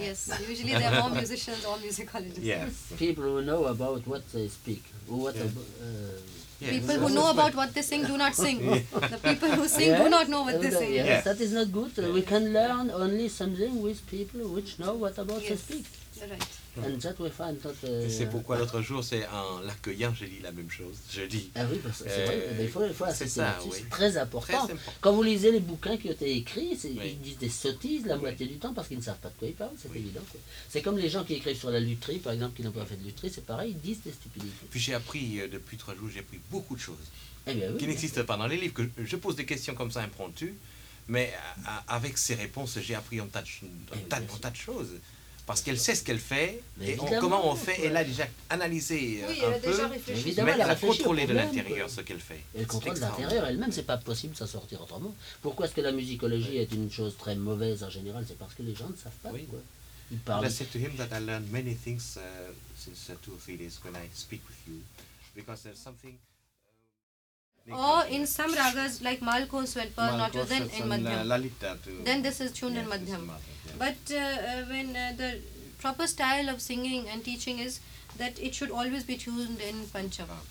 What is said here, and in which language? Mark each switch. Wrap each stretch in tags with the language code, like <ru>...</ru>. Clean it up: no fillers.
<en>Yes, usually there are more musicians or musicologists. Yes, people who know about what they speak, people who know about what they sing do not sing. The people who sing do not know what they sing. Yes, that is not good. We can learn only something with people which know what about they speak. You're right. And that we find that.</en> <fr>C'est pourquoi l'autre jour, c'est en l'accueillant, j'ai dit la même chose. Je dis. Ah oui, parce que c'est vrai. Il faut c'est ça, oui. C'est très important. Quand vous lisez les bouquins qui ont été écrits, ils disent des sottises la moitié du temps parce qu'ils ne savent pas de quoi ils parlent. C'est évident. Quoi. C'est comme les gens qui écrivent sur la lutherie, par exemple, qui n'ont pas fait de lutherie, c'est pareil, ils disent des stupidités. Puis j'ai appris, depuis trois jours, j'ai appris beaucoup de choses qui n'existent pas dans les livres. Je pose des questions comme ça impromptues, mais avec ces réponses, j'ai appris un tas de choses. Parce qu'elle sait ce qu'elle fait, mais et comment on fait, elle a déjà analysé elle a contrôlé de l'intérieur ce qu'elle fait. Elle contrôle l'intérieur elle-même, c'est pas possible de s'en sortir autrement. Pourquoi est-ce que la musicologie est une chose très mauvaise en général? C'est parce que les gens ne savent pas de quoi ils parlent.</fr> <en>I said to him that I learned many things since two or three days when I speak with you, because there's something... Or in some ragas like Malko Swetpur, not then in Madhyam. Lalita then this is tuned in Madhyam. But when the proper style of singing and teaching is that it should always be tuned in Pancham.</en>